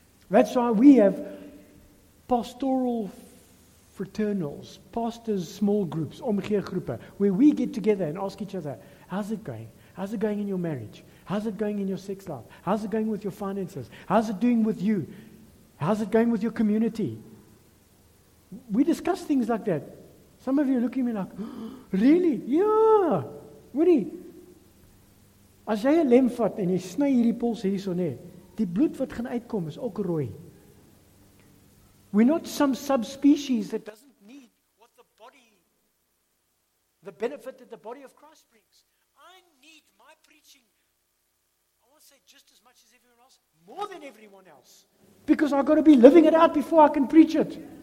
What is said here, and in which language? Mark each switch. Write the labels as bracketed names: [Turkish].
[English] That's why we have pastoral fraternals, pastors' small groups, omgeergroepe, where we get together and ask each other, how's it going? How's it going in your marriage? How's it going in your sex life? How's it going with your finances? How's it doing with you? How's it going with your community? We discuss things like that. Some of you are looking at me like, oh, really? Yeah. [Afrikaans] Woody, as jy 'n lem vat en jy sny hierdie pols hier so net, die bloed wat gaan uitkom is ook rooi. [English] We're not some subspecies that doesn't need what the body, the benefit that the body of Christ brings. I need my preaching, I want to say just as much as everyone else, more than everyone else. Because I've got to be living it out before I can preach it.